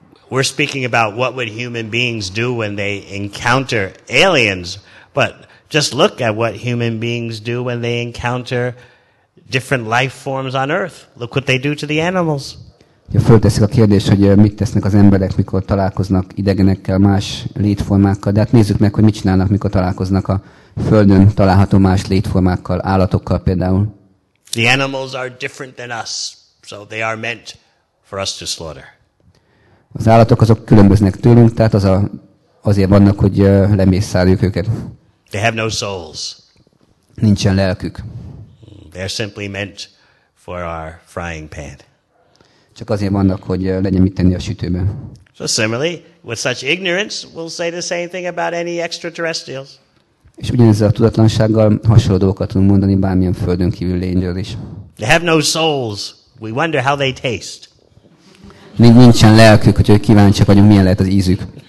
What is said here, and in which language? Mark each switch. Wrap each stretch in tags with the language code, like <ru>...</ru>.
<en>We're speaking about what would human beings do when they encounter aliens, but just look at what human beings do when they encounter different life forms on Earth. Look what they do to the animals.</en> <hu>Ja, fölteszik a kérdés, hogy mit tesznek az emberek, mikor találkoznak idegenekkel, más létformákkal, de hát nézzük meg, hogy mit csinálnak, mikor találkoznak a Földön található más létformákkal, állatokkal például.</hu> <en>The animals are different than us, so they are meant for us to slaughter.</en> <hu>Az állatok azok különböznek tőlünk, tehát azért vannak, hogy lemészáljuk őket.</hu> <en>They have no souls.</en> <hu>Nincsen lelkük.</hu> <en>They're simply meant for our frying pan.</en> <hu>Csak azért vannak, hogy legyen mit tenni a sütőben.</hu> <en>So similarly, with such ignorance, we'll say the same thing about any extraterrestrials.</en> <hu>És ugyanezzel a tudatlansággal hasonló dolgokat tudunk mondani bármilyen földön kívül lényről is.</hu> <en>They have no souls. We wonder how they taste.</en> <hu>Még nincsen lelkük, hogy kíváncsiak vagyunk, milyen lehet az ízük.</hu>